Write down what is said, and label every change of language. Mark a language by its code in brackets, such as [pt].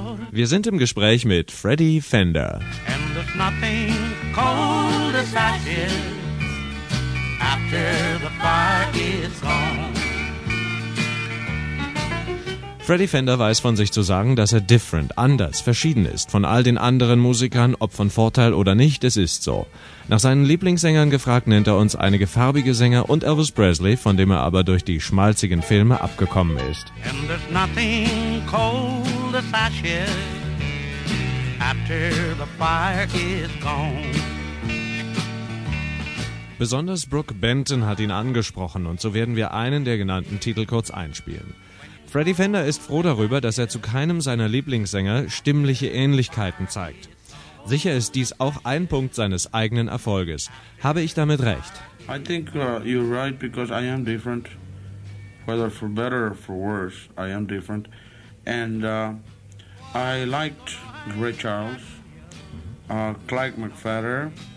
[de] Wir sind im Gespräch mit Freddy Fender. [en] And there's nothing cold as ashes after the fire is gone. [de] Freddy Fender weiß von sich zu sagen, dass er different, anders, verschieden ist von all den anderen Musikern, ob von Vorteil oder nicht, es ist so. Nach seinen Lieblingssängern gefragt, nennt er uns einige farbige Sänger und Elvis Presley, von dem er aber durch die schmalzigen Filme abgekommen ist. [en] And there's nothing cold as ashes after the fire is gone. [de] Besonders Brooke Benton hat ihn angesprochen, und so werden wir einen der genannten Titel kurz einspielen. Freddy Fender ist froh darüber, dass er zu keinem seiner Lieblingssänger stimmliche Ähnlichkeiten zeigt. Sicher ist dies auch ein Punkt seines eigenen Erfolges. Habe ich damit recht? [en] I think you're right, because I am different. Whether for better or for worse, I am different. And I liked Ray Charles, Clyde McFadder.